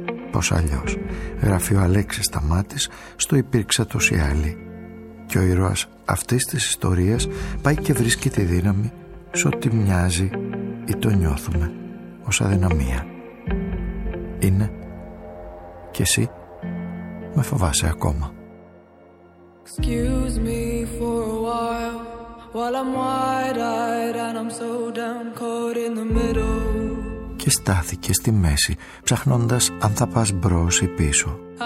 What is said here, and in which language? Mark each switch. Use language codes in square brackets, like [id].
[el] Πώς αλλιώς, γράφει ο Αλέξης Σταμάτης στο «Υπήρξα τόσοι άλλοι». Και ο ήρωας αυτής της ιστορίας πάει και βρίσκει τη δύναμη σε ό,τι μοιάζει ή το νιώθουμε ως αδυναμία. Είναι και εσύ με φοβάσαι ακόμα. [en] Excuse me for a while I'm wide-eyed and I'm so down caught in the middle. [el] Και στάθηκε στη μέση, ψαχνώντας αν θα πας μπρος ή πίσω.